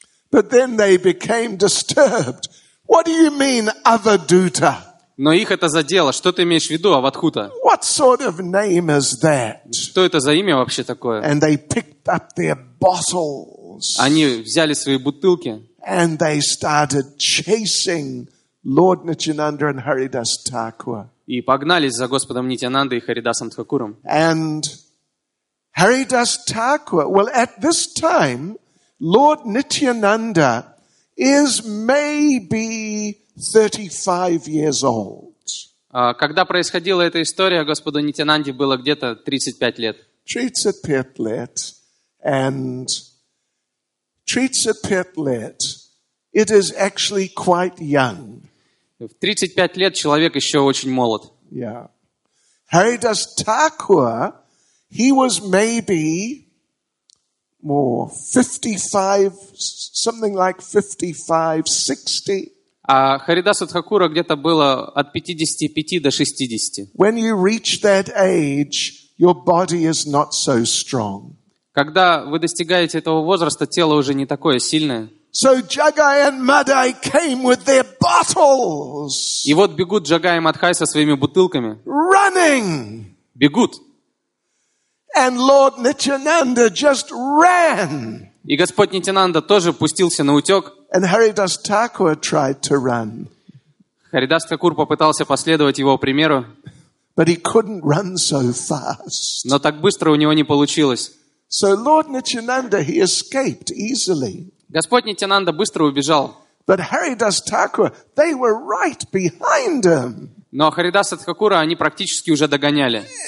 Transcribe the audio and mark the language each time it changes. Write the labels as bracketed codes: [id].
[en] But then they became disturbed. What do you mean, Avadhuta? [ru] Но их это задело. Что ты имеешь в виду, Авадхута? [en] What sort of name is that? [ru] Что это за имя вообще такое? [en] And they picked up their bottles. [ru] Они взяли свои бутылки. [en] And they started chasing Lord Nityananda and Haridas Thakura. [ru] И погнались за Господом Нитянандой и Харидасом Тхакуром. [en] And Haridas Thakura, well, at this time, Lord Nityananda is maybe 35 years old. [ru] Когда происходила эта история, Господу Нитянанде было где-то 35 лет. 35 лет. [en] And 35 лет, it is actually quite young. [ru] В 35 лет человек еще очень молод. [en] Yeah. Haridas Thakura, he was maybe more 55, something like 55, 60. [ru] А Харидаса Тхакура где-то было от 55 до 60. [en] When you reach that age, your body is not so strong. [ru] Когда вы достигаете этого возраста, тело уже не такое сильное. [en] So Jagai and Madhai came with their bottles. [ru] И вот бегут Джагай и Мадхай со своими бутылками. [en] Running. [ru] Бегут. [en] And Lord Nityananda just ran. [ru] И Господь Нитянанда тоже пустился на утек. [en] And Haridas Thakura tried to run. [ru] Харидас Такур попытался последовать его примеру. [en] But he couldn't run so fast. [ru] Но так быстро у него не получилось. [en] So Lord Nityananda, he escaped easily. [ru] Господь Нитянанда быстро убежал. [en] But Haridas Thakura, they were right behind him. [ru] Но Харидаса Тхакура они практически уже догоняли.